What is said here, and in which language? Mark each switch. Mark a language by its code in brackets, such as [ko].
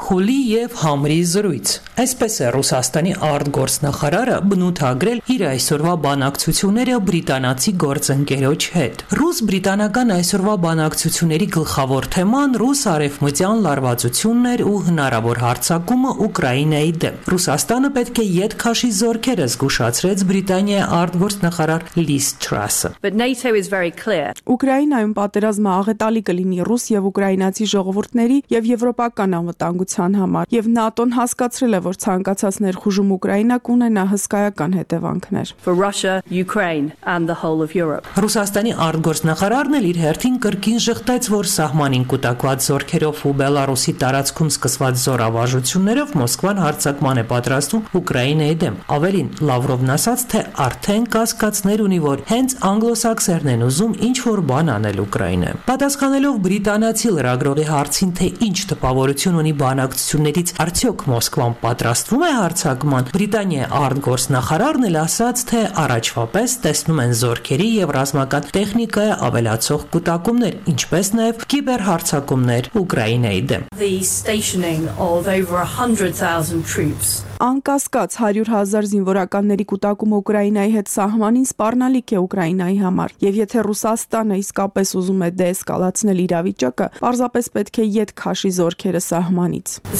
[hy] Խուլի և համրի զրույց։ Այսպես է Ռուսաստանի արտգործնախարարը բնութագրել իր այսօրվա բանակցությունները բրիտանացի գործընկերոջ հետ։ Ռուս-բրիտանական այսօրվա բանակցությունների գլխավոր թեման ռուս-արևմտյան լարվածությունն էր ու հնարավոր հարձակումը Ուկրաինայի դեմ։ Ռուսաստանը պետք է ետ քաշի զորքերը, զգուշացրեց Բրիտանիայի արտգործնախարար Լիզ Տրասը։ [en] But NATO is very clear. [hy] Ուկրաինայում պատերազմը աղետալի կլինի ռուս և ուկրաինացի ժողովուրդների և եվրոպական անվտանգության համար, և ՆԱՏՕ-ն հասկացրել է, որ ցանկացած ներխուժում Ուկրաինա կունենա հսկայական հետևանքներ։ [en] For Russia, Ukraine and the whole of Europe. [hy] Ռուսաստանի արտգործնախարարն էլ իր հերթին կրկին ժխտեց, որ սահմանին կուտակված զորքերով ու Բելարուսի տարածքում սկսված զորավարժություններով Մոսկվան հարձակման է պատրաստում Ուկրաինայի դեմ։ Ավելին, Լավրովն ասաց, թե արդեն կասկածներ ունի, որ հենց անգլոսաքսերն են ուզում ինչ-որ բան անել Ուկրաինայում։ Պատասխանելով բրիտանացի լրագրողի հարցին, թե ինչ տպավորություն ունի բանակցություններից, արդյոք Մոսկվան պատրաստվում է հարձակման, Բրիտանիայի արտգործնախարարն էլ ասաց, թե առաջվապես տեսնում են զորքերի և ռազմական տեխնիկայի ավելացող կուտակումներ, ինչպես նաև կիբերհարձակումներ Ուկրաինայի դեմ։ [en] The stationing of over 100,000 troops. [hy] Անկասկած 100,000 զինվորականների կուտակումը Ուկրաինայի հետ սահմանին սպառնալիք է Ուկրաինայի համար, և եթե Ռուսաստանը իսկապես ուզում է դեեսկալացնել իրավիճակը, պարզապես պետք է ետ քաշի զորքերը սահմանից։